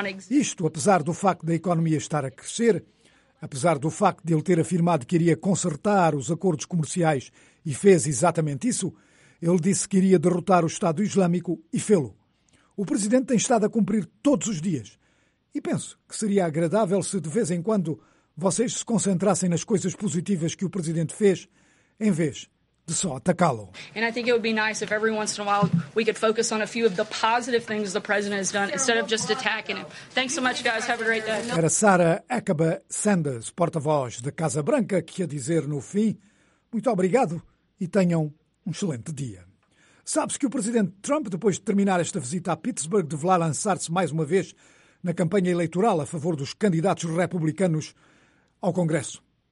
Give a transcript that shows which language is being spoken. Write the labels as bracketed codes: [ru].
[pt] Isto, apesar do facto da economia estar a crescer, apesar do facto de ele ter afirmado que iria consertar os acordos comerciais e fez exatamente isso, ele disse que iria derrotar o Estado Islâmico e fê-lo. O presidente tem estado a cumprir todos os dias. E penso que seria agradável se, de vez em quando, vocês se concentrassem nas coisas positivas que o presidente fez, em vez de só atacá-lo. E acho que seria bom se, de vez em quando, [en] we could focus on a few of the positive things the president has done, instead of just attacking him. Thanks so much, guys. Have a great day. [pt] Era Sarah Huckabee Sanders, porta-voz da Casa Branca, que ia dizer no fim, muito obrigado e tenham um excelente dia. Sabe-se que o presidente Trump, depois de terminar esta visita a Pittsburgh, deverá lançar-se mais uma vez na campanha eleitoral a favor dos candidatos republicanos ao Congresso.